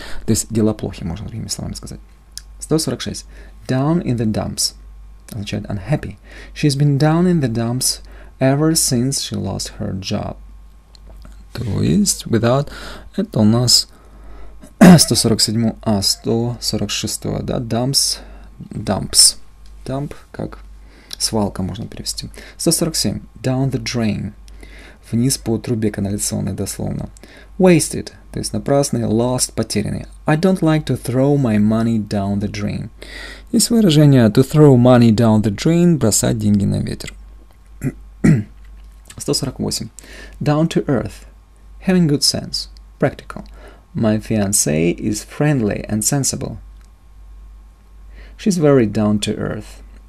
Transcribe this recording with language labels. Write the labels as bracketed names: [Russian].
[Russian] То есть дела плохи, можно другими словами сказать. [English] 146. Down in the dumps. [Russian] Означает [English] unhappy. She's been down in the dumps ever since she lost her job. [Russian] То есть [English] without... [Russian] Это у нас... 147, а 146, да, dumps, dump, как свалка можно перевести. [English] 147, down the drain, [Russian] вниз по трубе канализационной дословно. [English] Wasted, [Russian] то есть напрасный, [English] lost, [Russian] потерянный. [English] I don't like to throw my money down the drain. [Russian] Есть выражение [English] to throw money down the drain, [Russian] бросать деньги на ветер. [English] 148, down to earth, having good sense, practical. My fiancé is friendly and sensible. She's very down to earth.